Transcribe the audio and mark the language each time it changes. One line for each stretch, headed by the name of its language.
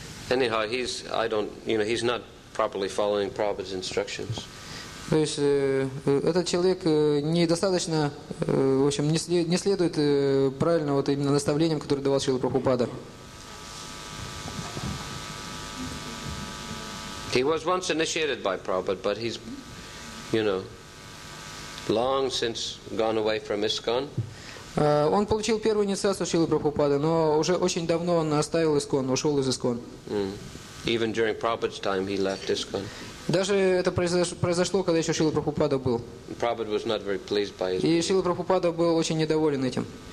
English: Anyhow, he's, I don't, you know, he's not properly following Prabhupada's instructions.
Russian: То есть, этот человек недостаточно, в общем, не следует правильно вот именно наставлениям, которые давал Шрила Прабхупада.
English: He was once initiated by Prabhupada, but he's, you know, long since gone away from ISKCON.
Russian: Он получил первую инициацию Шрилы Прабхупады, но уже очень давно он оставил ИСКОН, ушел из ИСКОН.
English: Even during Prabhupada's time he left ISKCON.
Russian: Даже это произошло, когда еще Шрила Прабхупада был.
English: Prabhupada was not very pleased by his
Russian: И Шрила Прабхупада был очень недоволен этим.